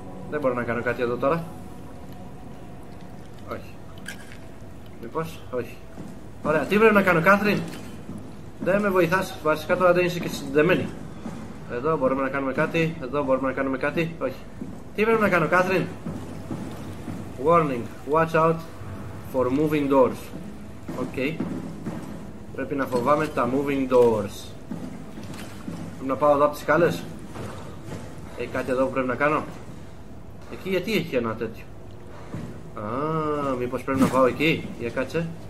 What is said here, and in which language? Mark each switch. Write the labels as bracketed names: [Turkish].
[Greek] Δεν μπορώ να κάνω κάτι εδώ τώρα. Όχι. Μήπως, όχι. Ωραία, τι πρέπει να κάνω, Κάθριν. Δεν με βοηθάς, βασικά τώρα δεν είσαι και συνδεμένη. Εδώ μπορούμε να κάνουμε κάτι. Εδώ μπορούμε να κάνουμε κάτι, όχι. Τι πρέπει να κάνω, Κάθριν. [English] Warning, watch out for moving doors. [Greek] Οκ. Πρέπει να φοβάμαι τα [English] moving doors. [Greek] Πρέπει να πάω εδώ από τις σκάλες. Έχει κάτι εδώ που πρέπει να κάνω. Εκεί γιατί έχει ένα τέτοιο. Α, μήπως πρέπει να πάω εκεί. Για κάτσε.